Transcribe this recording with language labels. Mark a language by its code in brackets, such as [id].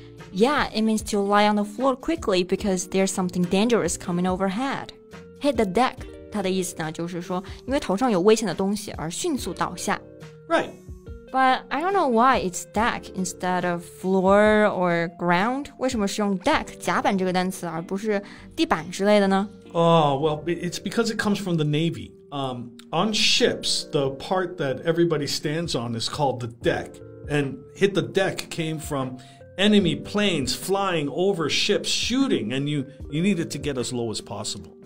[en] Yeah, it means to lie on the floor quickly because there's something dangerous coming overhead. Hit the deck, [zh] 它的意思呢就是说因为头上有危险的东西而迅速倒下。 [en] Right. But I don't know why it's deck instead of floor or ground. [zh] 为什么是用 deck, 甲板这个单词而不是地板之类的呢? [en] Oh, well, it's because it comes from the Navy. On ships, the part that everybody stands on is called the deck. And hit the deck came from enemy planes flying over ships shooting, and you needed to get as low as possible.